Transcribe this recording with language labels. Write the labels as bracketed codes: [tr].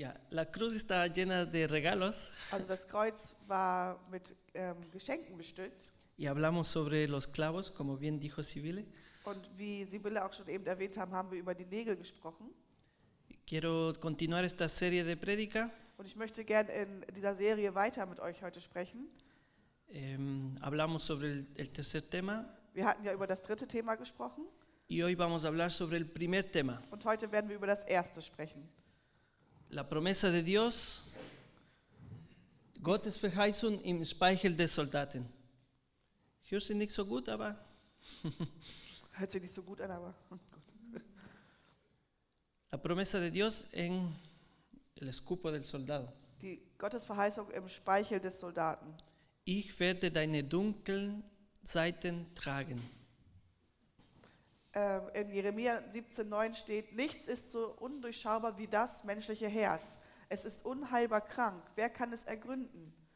[es] La Cruz está llena de regalos. [de] Also das Kreuz war mit Geschenken bestückt. [es] Y hablamos sobre los clavos, como bien dijo Sibylle. [de] Und wie Sibylle auch schon eben erwähnt haben, haben wir über die Nägel gesprochen. [es] Quiero continuar esta serie de predica. [de] Und ich möchte gern in dieser Serie weiter mit euch heute sprechen. [es] Hablamos sobre el tercer tema. [de] Wir hatten ja über das dritte Thema gesprochen. [es] Y hoy vamos a hablar sobre el primer tema. [de] Und heute werden wir über das erste sprechen. [es] La promesa de Dios, [de] Gottes Verheißung im Speichel des Soldaten. Hört sich nicht so gut, aber... Hört sich nicht so gut an, aber... [es] La promesa de Dios en el escupo del soldado. [de] Die Gottes Verheißung im Speichel des Soldaten. Ich werde deine dunklen Seiten tragen. In Jeremia 17,9 steht, nichts ist so undurchschaubar wie das menschliche Herz. Es ist unheilbar krank. Wer kann es ergründen?